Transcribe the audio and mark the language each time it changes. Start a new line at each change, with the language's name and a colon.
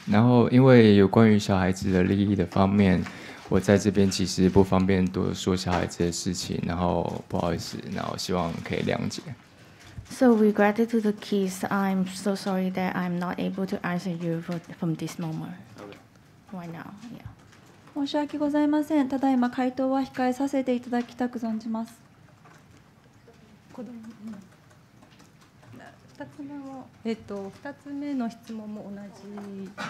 Chinese: 然后因为有关于小孩子的利益的方面，我在这边其实不方便多说小孩子的事情，然后不好意思，然后希望可以谅解。
English: So regarding to the kids, I'm so sorry that I'm not able to answer you from this moment. Why now? Yeah.
Japanese: 申し訳ございません。ただいま回答は控えさせていただきたく存じます。子供、二つ目を、二つ目の質問も同じ。